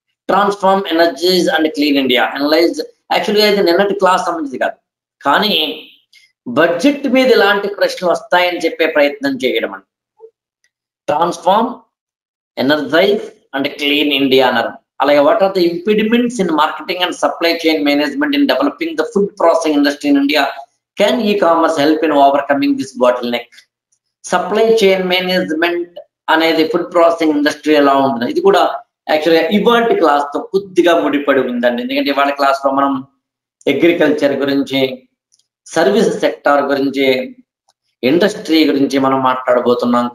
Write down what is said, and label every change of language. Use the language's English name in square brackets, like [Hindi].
[English] transform energies and clean India analyse, [Telugu] యాక్చువల్గా ఇది నిన్నటి క్లాస్ సంబంధించి కాదు, కానీ బడ్జెట్ మీద ఇలాంటి ప్రశ్నలు వస్తాయని చెప్పే ప్రయత్నం చేయడం అండి. [English] transform energise and clean India [Telugu] అన్నారు. [English] అలాగే what are the impediments in marketing and supply chain management in developing the food processing industry in India? Can e-commerce help in overcoming this bottleneck? [Telugu] Supply chain management అనేది food processing industry ఎలా ఉంటుంది? ఇది కూడా యాక్చువల్గా ఇవాటి class తో కొద్దిగా ముడిపడి ఉందండి, ఎందుకంటే ఇవాళ క్లాస్ లో మనం అగ్రికల్చర్ గురించి, సర్వీస్ సెక్టార్ గురించి, ఇండస్ట్రీ గురించి మనం మాట్లాడబోతున్నాం.